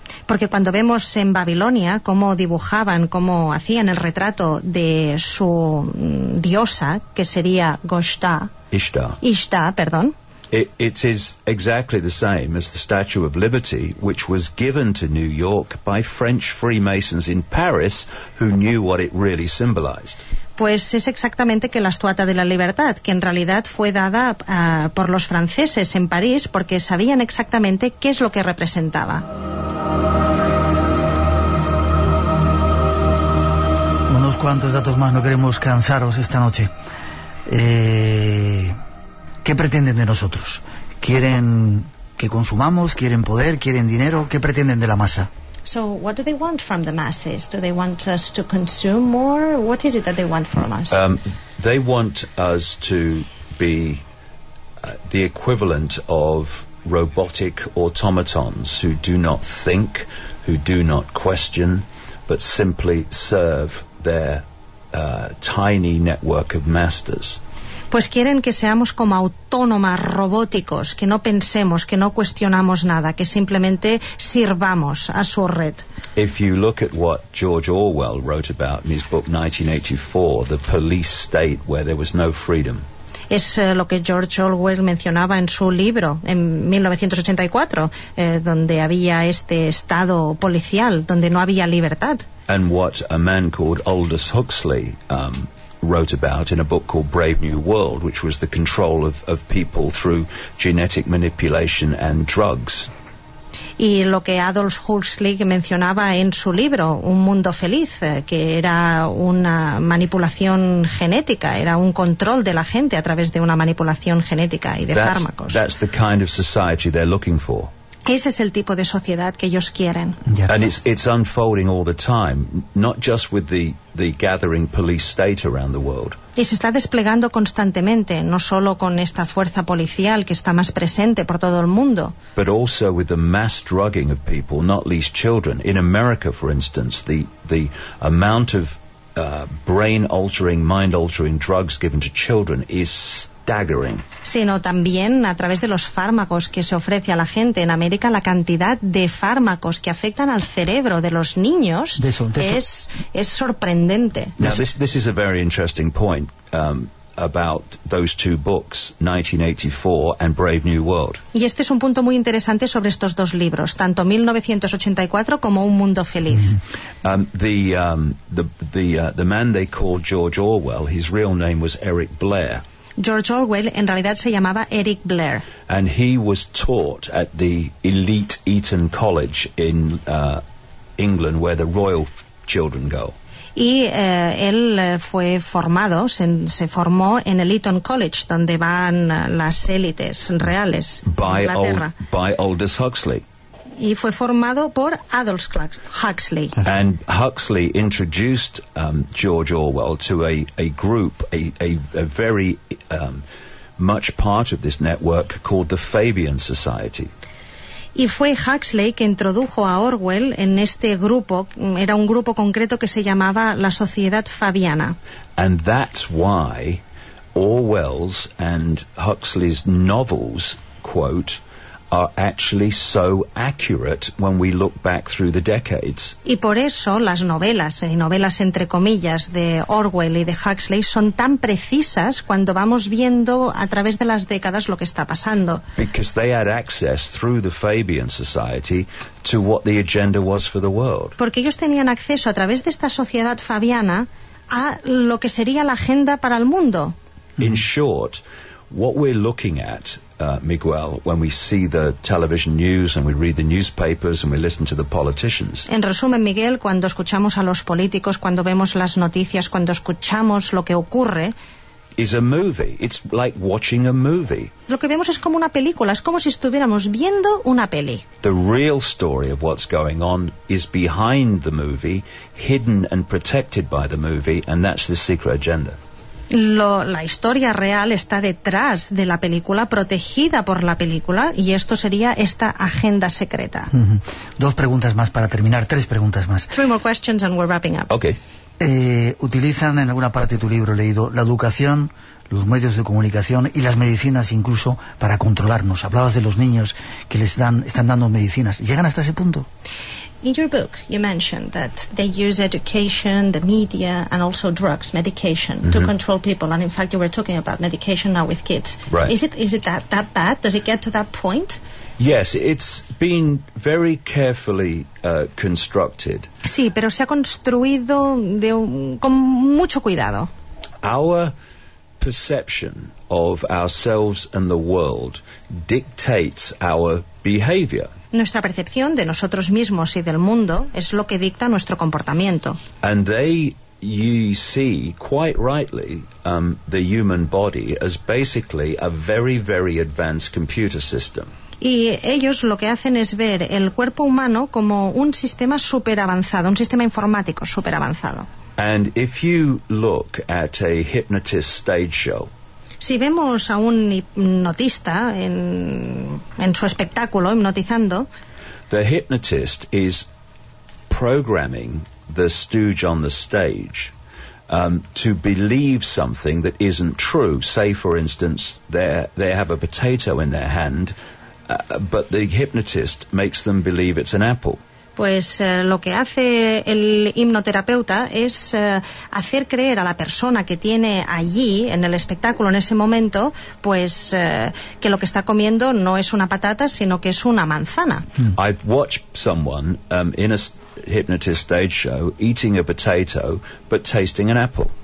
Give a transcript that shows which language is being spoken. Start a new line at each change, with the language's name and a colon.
Spanish: Porque cuando vemos en Babilonia cómo dibujaban, cómo hacían el retrato de su diosa, que sería Ishtar.
English: It is exactly the same as the Statue of Liberty, which was given to New York by French Freemasons in Paris, who knew what it really symbolized.
Spanish: Pues es exactamente que la Estatua de la Libertad, que en realidad fue dada por los franceses en París porque sabían exactamente qué es lo que representaba. Unos cuantos datos más, no queremos cansaros esta noche. ¿Qué pretenden de nosotros? ¿Quieren que consumamos? ¿Quieren poder? ¿Quieren dinero? ¿Qué pretenden de la masa?
English: So what do they want from the masses? Do they want us to consume more? What is it that they want from us? They want us to be the equivalent of robotic automatons who do not think, who do not question, but simply serve their tiny network of masters.
Spanish: Pues quieren que seamos como autónomas, robóticos, que no pensemos, que no cuestionamos nada, que simplemente sirvamos a su red.
English: If you look at what George Orwell wrote about in his book 1984, the police state where there was no freedom.
Spanish: Es lo que George Orwell mencionaba en su libro, en 1984, donde había este estado policial, donde no había libertad.
English: And what a man called Aldous Huxley wrote about in a book called Brave New World, which was the control of people through genetic manipulation and drugs.
Spanish: Y lo que Adolf Huxley mencionaba en su libro, Un Mundo Feliz, que era una manipulación genética, era un control de la gente a través de una manipulación genética y de fármacos.
English: That's the kind of society they're looking for.
Spanish: Ese es el tipo de sociedad que ellos quieren.
English: Yeah. And it's unfolding all the time, not just with the gathering police state around the world.
Spanish: Y se está desplegando constantemente, no solo con esta fuerza policial que está más presente por todo el mundo.
English: But also with the mass drugging of people, not least children. In America, for instance, the amount of brain-altering, mind-altering drugs given to children is staggering.
Spanish: Sino también a través de los fármacos que se ofrece a la gente en América, la cantidad de fármacos que afectan al cerebro de los niños es sorprendente.
English: Now this is a very interesting point about those two books, 1984 and Brave New World.
Spanish: Y este es un punto muy interesante sobre estos dos libros, tanto 1984 como Un Mundo Feliz. Mm-hmm.
English: The man they called George Orwell, his real name was Eric Blair.
Spanish: George Orwell en realidad se llamaba Eric Blair.
English: And he was taught at the elite Eton College in England, where the royal children go.
Spanish: Y él fue formado, se formó en el Eton College, donde van las élites reales
English: by
Spanish: de Inglaterra.
English: By Aldous Huxley.
Spanish: Y fue formado por Aldous Huxley.
English: And Huxley introduced George Orwell to a group, a very much part of this network called the Fabian Society.
Spanish: Y fue Huxley que introdujo a Orwell en este grupo, era un grupo concreto que se llamaba la Sociedad Fabiana.
English: And that's why Orwell's and Huxley's novels, quote, are actually so accurate when we look back through the decades.
Spanish: Y por eso las novelas, novelas entre comillas, de Orwell y de Huxley son tan precisas cuando vamos viendo a través de las décadas lo que está pasando.
English: Because they had access through the Fabian Society to what the agenda was for the world.
Spanish: Porque ellos tenían acceso a través de esta sociedad fabiana a lo que sería la agenda para el mundo.
English: In short, what we're looking at, Miguel, when we see the television news and we read the newspapers and we listen to the politicians.
Spanish: En resumen, Miguel, cuando escuchamos a los políticos, cuando vemos las noticias, cuando escuchamos lo que ocurre,
English: is a movie. It's like watching a movie.
Spanish: Lo que vemos es como una película, es como si estuviéramos viendo una peli.
English: The real story of what's going on is behind the movie, hidden and protected by the movie, and that's the secret agenda.
Spanish: La historia real está detrás de la película, protegida por la película, y esto sería esta agenda secreta. Mm-hmm. Dos preguntas más para terminar, tres preguntas más.
English: Three more questions and we're wrapping up. Okay.
Spanish: Utilizan en alguna parte de tu libro leído la educación, los medios de comunicación y las medicinas incluso para controlarnos. Hablabas de los niños que les están dando medicinas. ¿Llegan hasta ese punto?
English: In your book, you mentioned that they use education, the media, and also drugs, medication, mm-hmm. to control people. And in fact, you were talking about medication now with kids. Right. Is it that bad? Does it get to that point? Yes, it's been very carefully constructed.
Spanish: Sí, pero se ha construido con mucho cuidado.
English: our perception of ourselves and the world dictates our behavior.
Spanish: Nuestra percepción de nosotros mismos y del mundo es lo que dicta nuestro comportamiento.
English: And they, you see, quite rightly, the human body as basically a very, very advanced computer system.
Spanish: Y ellos lo que hacen es ver el cuerpo humano como un sistema super avanzado, un sistema informático super avanzado.
English: And if you look at a hypnotist stage show,
Spanish: si vemos a un hipnotista en su espectáculo hipnotizando,
English: the hypnotist is programming the stooge on the stage to believe something that isn't true. Say, for instance, they have a potato in their hand, but the hypnotist makes them believe it's an apple.
Spanish: Pues lo que hace el hipnoterapeuta es hacer creer a la persona que tiene allí en el espectáculo en ese momento, pues que lo que está comiendo no es una patata, sino que es una manzana.
English: I've watched someone in a hypnotist stage show eating a potato but tasting an apple.